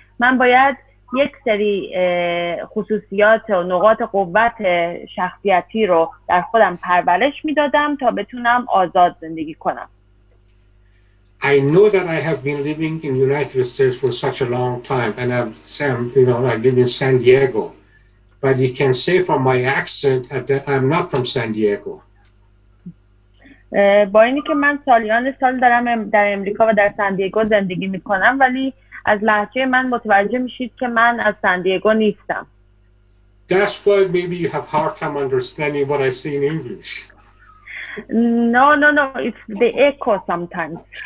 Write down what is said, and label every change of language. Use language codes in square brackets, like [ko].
[fa] من باید یک سری خصوصیات و نقاط قوت شخصیتی رو در خودم پرورش میدادم تا بتونم آزاد زندگی کنم. [en] I know that I have been living in United States for such a long time and I live in San Diego. But you can say from my accent that I'm not from San Diego. [fa] با اینی که من سالیان سال دارم در امریکا و در سان دیگو زندگی میکنم ولی از لهجه من متوجه میشید که من از سان دیگو نیستم. [en] That's why maybe you have hard time understanding what I say in English. No, it's the echo sometimes.